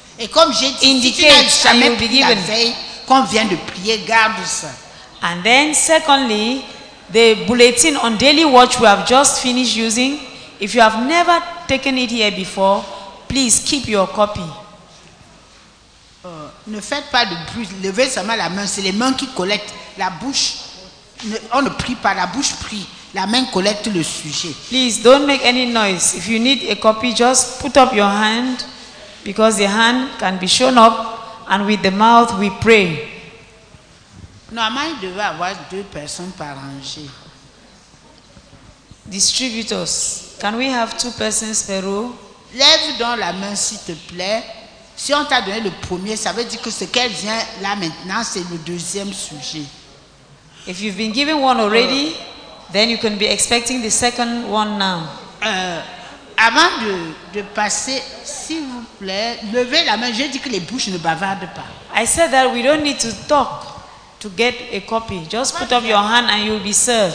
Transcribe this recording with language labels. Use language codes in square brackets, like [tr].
[fr] Et comme j'ai dit, indicate, si tu n'as jamais pris la veille, qu'on vient de prier, garde ça. [en] And then secondly, the bulletin on daily watch we have just finished using, if you have never taken it here before, please keep your copy. [fr] Ne faites pas de bruit, levez seulement la main, c'est les mains qui collectent, la bouche, on ne prie pas, la bouche prie, la main collecte le sujet. [en] Please don't make any noise, if you need a copy, just put up your hand, because the hand can be shown up, and with the mouth we pray. [fr] Normalement, il devait avoir deux personnes par rangée. [en] Distributors, can we have two persons per row? [fr] Lève donc la main, s'il te plaît. Si on t'a donné le premier, ça veut dire que ce qu'elle vient là maintenant, c'est le deuxième sujet. [en] If you've been given one already, then you can be expecting the second one now. [fr] Avant de passer, s'il vous plaît, levez la main. J'ai dit que les bouches ne bavardent pas. [en] I said that we don't need to talk to get a copy. Just put up your hand and you'll be served.